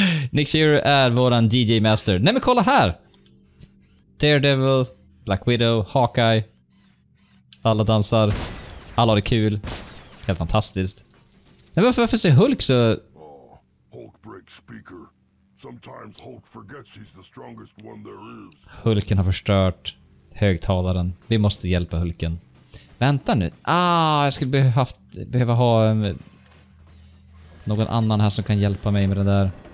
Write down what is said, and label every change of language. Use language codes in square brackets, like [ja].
[sv] Nick Fury är våran DJ-master. Nej, men kolla här! Daredevil, Black Widow, Hawkeye. Alla dansar. Alla har det kul. Helt fantastiskt. Nej, men varför ser Hulk så... [en] Hulkbreak speaker. Sometimes Hulk forgets he's the strongest one there is. [sv] Hulken har förstört högtalaren. Vi måste hjälpa Hulken. Vänta nu. Ah, jag skulle behöva ha någon annan här som kan hjälpa mig med det där.